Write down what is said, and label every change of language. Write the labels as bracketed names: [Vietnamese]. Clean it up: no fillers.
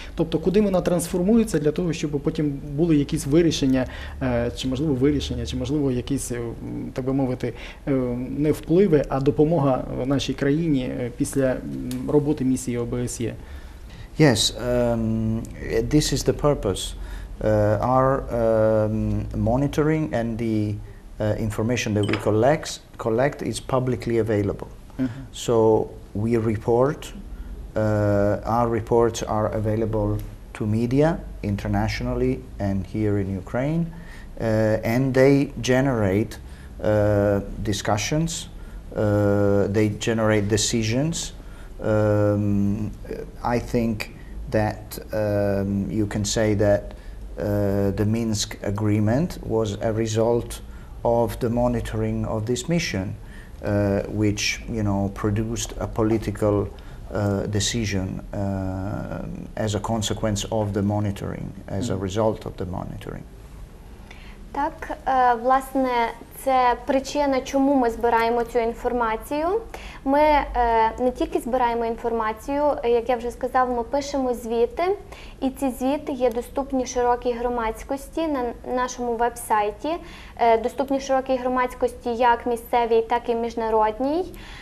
[Ukrainian] Тобто, куди вона трансформується для того, щоб потім були якісь вирішення, чи можливо якісь, так би мовити, не впливи, а допомога нашій країні після роботи місії ОБСЄ? [English] Yes, this is the purpose. Our monitoring and the information that we collect is publicly available. Mm-hmm. So we report, our reports are available to media internationally and here in Ukraine, and they generate discussions. They generate decisions. I think that you can say that the Minsk agreement was a result of the monitoring of this mission, which, you know, produced a political decision as a consequence of the monitoring, as a result of the monitoring. [Ukrainian] Так, власне, це причина, чому ми збираємо цю інформацію. Ми не тільки збираємо інформацію, як я вже сказав, ми пишемо звіти, і ці звіти є доступні широкій громадськості на нашому веб-сайті, доступні широкій громадськості як місцевій, так і міжнародній.